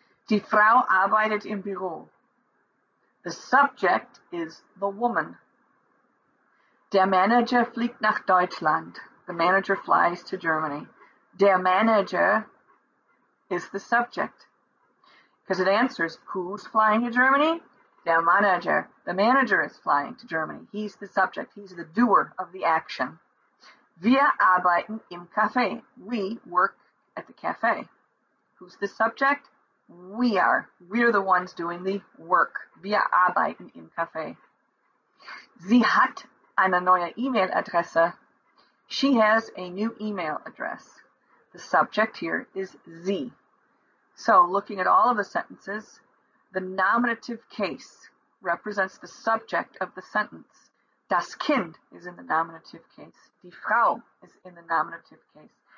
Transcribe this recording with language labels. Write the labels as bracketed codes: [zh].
[de] Die Frau arbeitet im Büro. [en] The subject is the woman. [de] Der Manager fliegt nach Deutschland. [en] The manager flies to Germany. [de] Der Manager [en] is the subject, because it answers who's flying to Germany? Der Manager. The manager is flying to Germany. He's the subject. He's the doer of the action. [de] Wir arbeiten im Café. [en] We work at the cafe. Who's the subject? We are. We are the ones doing the work. [de] Wir arbeiten im Café. Sie hat eine neue E-Mail-Adresse. [en] She has a new email address. The subject here is sie. So, looking at all of the sentences, the nominative case represents the subject of the sentence. [de] Das Kind [en] is in the nominative case. [de] Die Frau [en] is in the nominative case.